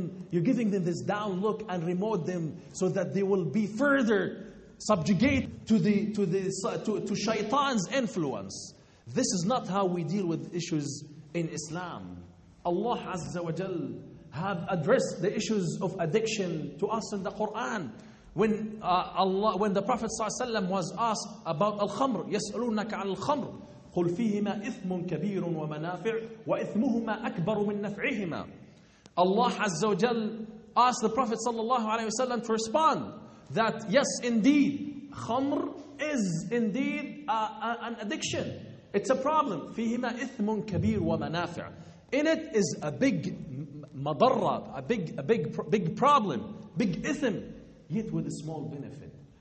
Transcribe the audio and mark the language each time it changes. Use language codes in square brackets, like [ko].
[en] You're giving them this down look and remote them, so that they will be further subjugated to shaitan's influence. This is not how we deal with issues in Islam. Allah Azza wa Jal have addressed the issues of addiction to us in the Quran. When the Prophet ﷺ was asked about al-khamr, [ar] يَسْأَلُونَكَ عَلَى الْخَمْرِ قُلْ فِيهِمَا إِثْمٌ كَبِيرٌ وَمَنَافِعٌ وَإِثْمُهُمَا أَكْبَرُ مِنْ نَفْعِهِمَا. [en] Allah Azza wa Jal asked the Prophet sallallahu alayhi wa sallam to respond that yes, indeed, khamr is indeed an addiction. It's a problem. [ar] فِيهِمَا إِثْمٌ كَبِيرٌ وَمَنَافِعٌ. [en] In it is a big madarra, a big problem, big ithm, yet with a small benefit.